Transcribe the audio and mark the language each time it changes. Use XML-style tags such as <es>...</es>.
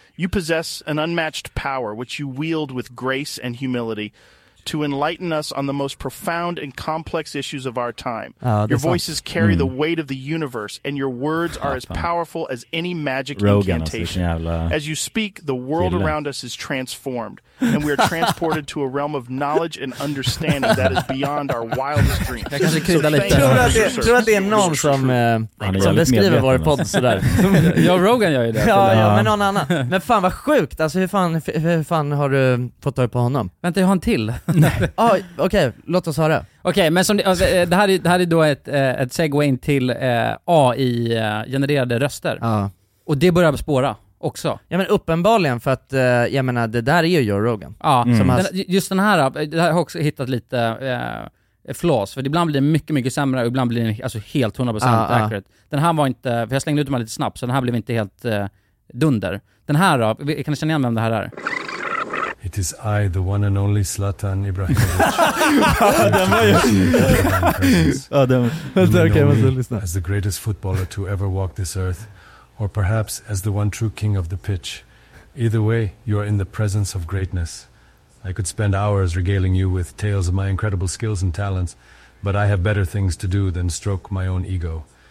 <en>You possess an unmatched power, which you wield with grace and humility to enlighten us on the most profound and complex issues of our time. Your voices carry the weight of the universe, and your words are as powerful as any magic Rogan incantation. As you speak, the world Killa. Around us is transformed, and we are transported to a realm of knowledge and understanding that is beyond our wildest dreams.</en> <sv>Jag kanske kryddar lite. Tror att det är någon som beskriver vår podd sådär. Ja, Rogan gör ju det. Ja, men någon annan. Men fan vad sjukt. Alltså, hur fan har du fått tag på honom? Vänta, jag har en till. Nej. Ah, okej, okay. Låt oss höra. Okej, okay, men som det här är då ett segue in till AI-genererade röster. Ja. Och det börjar spåra också. Ja, men uppenbarligen, för att jag menar, det där är ju Joe Rogan. Ja, just den här, jag har också hittat lite flås, för ibland blir det mycket, mycket sämre och ibland blir det alltså helt 100% accurate. Den här var inte, för jag slängde ut dem lite snabbt, så den här blev inte helt dunder. Den här då, kan ni känna igen vem det här är?</sv> <en>It is I, the one and only Zlatan Ibrahimovic. As the greatest footballer to ever walk this earth, or perhaps as the one true king of the pitch. Either way, you are in the presence of greatness. I could spend hours regaling you with tales of my incredible skills and talents, but I have better things to do than stroke my own ego.</en>